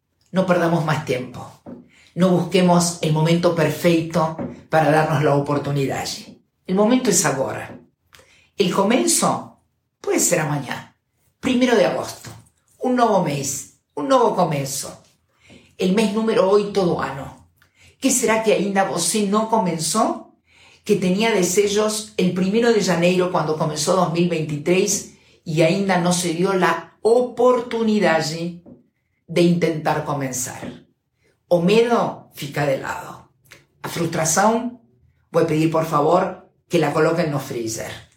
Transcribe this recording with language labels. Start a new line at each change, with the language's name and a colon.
Spanish: No perdamos más tiempo. No busquemos el momento perfecto para darnos la oportunidad allí. El momento es ahora. El comienzo puede ser mañana, 1 de agosto. Un nuevo mes, un nuevo comienzo. El mes número 8 del año. ¿Qué será que ainda você no comenzó? Que tenía deseos el 1 de janeiro cuando comenzó 2023 y ainda no se dio la oportunidad de intentar comenzar.
Portuguese: O medo fica de lado.
Spanish: A frustración, voy a pedir por favor que la coloquen en el freezer.